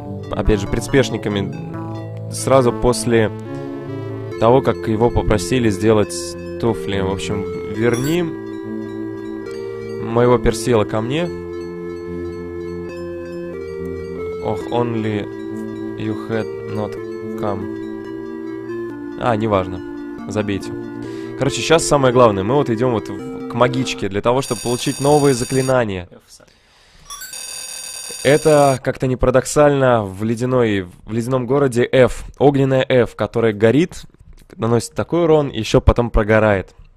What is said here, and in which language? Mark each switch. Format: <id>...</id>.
<ru>Опять же, приспешниками. Сразу после того, как его попросили сделать туфли. В общем, верни моего Персила ко мне.</ru> <en>Ох, only you had not come.</en> <ru>А, неважно. Забейте. Короче, сейчас самое главное. Мы вот идем вот к магичке для того, чтобы получить новые заклинания. Это как-то не парадоксально в ледяном городе F. Огненная F, которая горит, наносит такой урон и еще потом прогорает.</ru>